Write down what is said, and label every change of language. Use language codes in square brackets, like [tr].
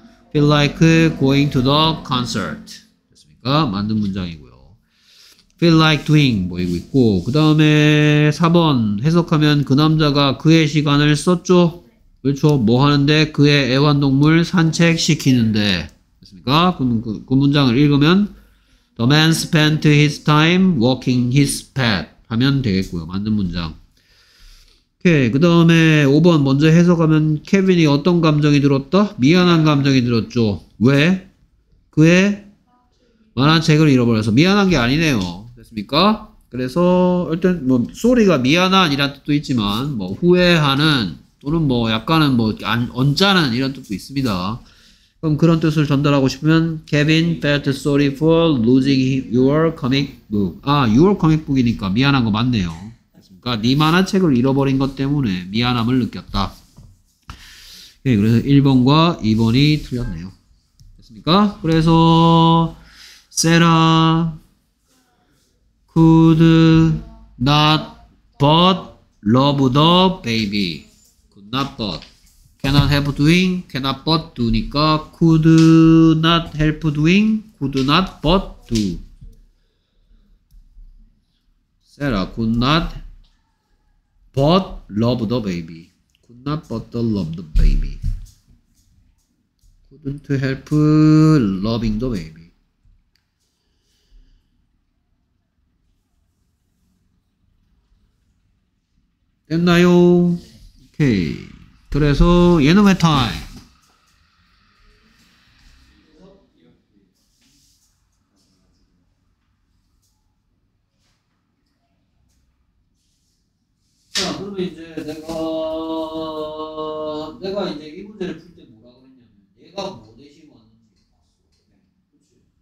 [en] Feel like going to the concert. [ko] 됐습니까? 만든 문장이고요. [en] Feel like doing [ko] 보이고 있고. 그 다음에 4번 해석하면 그 남자가 그의 시간을 썼죠. 그렇죠. 뭐 하는데 그의 애완동물 산책 시키는데. 됐습니까? 그 문장을 읽으면. [en] The man spent his time walking his pet [ko] 하면 되겠고요. 맞는 문장. 오케이. 그 다음에 5번 먼저 해석하면 케빈이 어떤 감정이 들었다? 미안한 감정이 들었죠. 왜? 그의 만화책을 잃어버려서 미안한 게 아니네요. 됐습니까? 그래서 일단 뭐 소리가 미안한 이란 뜻도 있지만 뭐 후회하는 또는 뭐 약간은 뭐 언짢은 이런 뜻도 있습니다. 그럼 그런 뜻을 전달하고 싶으면 [en] Kevin felt sorry for losing your comic book. [ko] 아, [en] your comic book [ko] 이니까 미안한 거 맞네요. 그러니까 네 만화책을 잃어버린 것 때문에 미안함을 느꼈다. 네, 그래서 1번과 2번이 틀렸네요. 됐습니까? 그래서 [en] Sarah could not but love the baby. Could not but. cannot help doing, cannot but do니까 could not help doing, could not but do Sarah could not but love the baby could not but love the baby couldn't help loving the baby [ko] 됐나요? 오케이 그래서 얘는 왜 타임? 자 그러면 이제 내가 이제 이 문제를 풀 때 뭐라 그랬냐면 얘가 뭐 대신 왔는지 봤어 그치?